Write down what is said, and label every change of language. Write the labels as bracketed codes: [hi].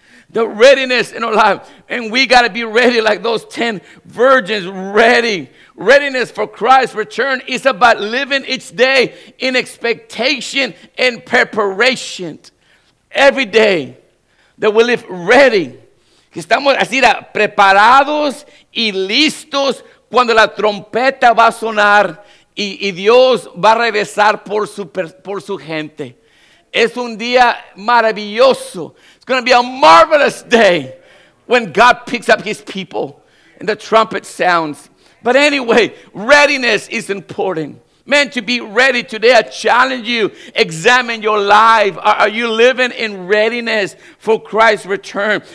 [en] The readiness in our life. And we got to be ready like those 10 virgins, ready. Readiness for Christ's return is about living each day in expectation and preparation. Every day that we live ready. [es] Estamos así, preparados y listos cuando la trompeta va a sonar y Dios va a regresar por su gente. Es un día maravilloso. [en] It's going to be a marvelous day when God picks up His people and the trumpet sounds. But anyway, readiness is important. Man, to be ready today, I challenge you, examine your life. Are you living in readiness for Christ's return?